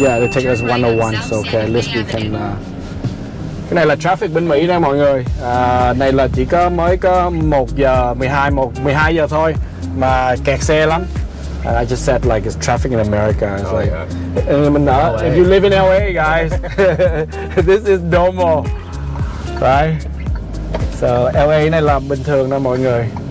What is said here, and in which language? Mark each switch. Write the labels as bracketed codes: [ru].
[en] Yeah, the tech is 101, so okay, at least we can [vi] cái này là traffic bên Mỹ nè mọi người. Này là chỉ có mới có 1 giờ 12 giờ thôi mà kẹt xe lắm. [en] And I just said, like, it's traffic in America. It's if you live in LA, guys, this is normal, right? [vi] So LA này là bình thường đó mọi người.